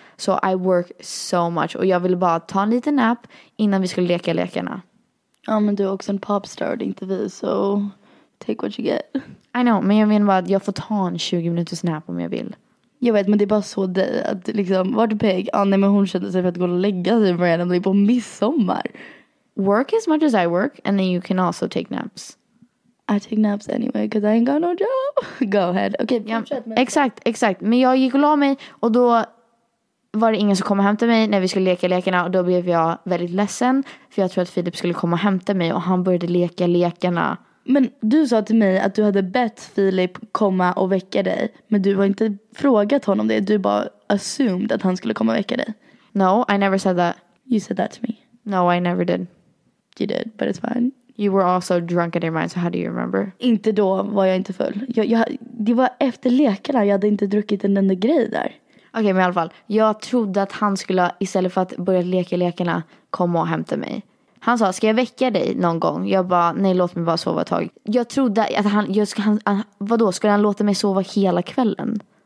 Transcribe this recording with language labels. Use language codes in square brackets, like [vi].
[sv] Så [en] I work so much [sv] och jag ville bara ta en liten nap innan vi skulle leka lekarna. Ja, men du är också en popstar, inte vi, så [en] take what you get. I know, [sv] men jag menar bara att jag får ta en 20 minuters nap om jag vill. Jag vet, men det är bara så dig att liksom, vart Peg? Ah, nej, men hon kände sig för att gå och lägga sig på redan på midsommar. [en] Work as much as I work, and then you can also take naps. I take naps anyway, because I ain't got no job. Go ahead. Okay, [sv] yeah, exakt, exakt. Men jag gick och la mig, och då var det ingen som kom och hämtade mig när vi skulle leka lekarna. Och då blev jag väldigt ledsen, för jag tror att Filip skulle komma och hämta mig, och han började leka lekarna. Men du sa till mig att du hade bett Filip komma och väcka dig, men du har inte frågat honom det. Du bara assumed att han skulle komma och väcka dig. [en] No, I never said that. You said that to me. No, I never did. You did, but it's fine. You were also drunk in your mind, so how do you remember? [sv] Inte då var jag inte full. Det var efter lekarna, jag hade inte druckit en enda grej där. Okej, men i alla fall. Jag trodde att han skulle, istället för att börja leka lekarna, komma och hämta mig. Han sa, ska jag väcka dig någon gång? Jag bara, nej, låt mig bara sova ett tag. Jag trodde att vadå, skulle han låta mig sova hela kvällen?